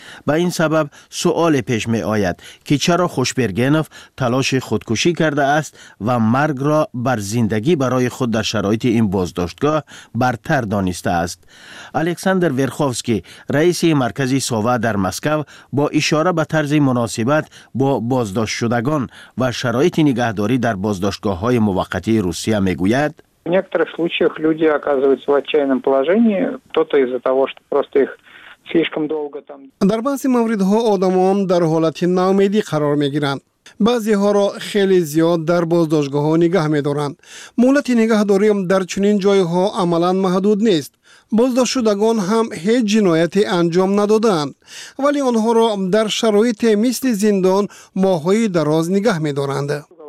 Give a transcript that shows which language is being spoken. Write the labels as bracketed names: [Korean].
[Persian] به این سبب سؤال پیش می آید که چرا خوشبرگنف تلاش خودکشی کرده است و مرگ را بر زندگی برای خود در شرایط این بازداشتگاه برتر دانسته است. الکساندر ورخوفسکی رئیس مرکزی سوا در مسکو با اشاره به طرز مناسبت با بازداشت شدگان و شرایط نگهداری در بازداشتگاه های موقتی روسیه می گوید [Russian] в некоторых случаях люди оказываются в отчаянном положении, кто-то из-за того, что просто их слишком долго там [Persian] در بعضی مواردها آدمان در حالت ناامیدی قرار می گیرند. بعضی ها را خیلی زیاد در بازداشتگاه ها نگه می دارند. مهلت نگهداری هم در چنین جای ها عملا محدود نیست. بازداشت شدگان هم هیچ جنایتی انجام ندادند، ولی آنها را در شرایط مثل زندان ماه های دراز نگه می دارند.